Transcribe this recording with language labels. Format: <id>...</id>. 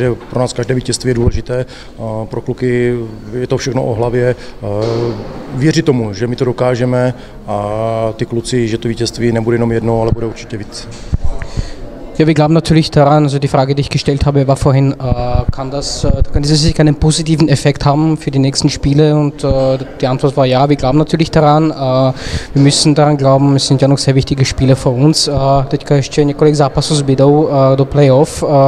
<cs>Pro nás každé vítězství je důležité. Pro kluky je to všechno o hlavě. Věří tomu, že my to dokážeme, a ty kluci, že to vítězství nebude jenom jedno, ale bude určitě víc.</cs> <de>Ja, wir glauben natürlich daran, also die Frage, die ich gestellt habe, war vorhin, kann diese sich einen positiven Effekt haben für die nächsten Spiele? Und die Antwort war ja, wir glauben natürlich daran. Wir müssen daran glauben, es sind ja noch sehr wichtige Spiele vor uns.</de> <cs>Teďka ještě několik zápasů zbydou do playoff.</cs>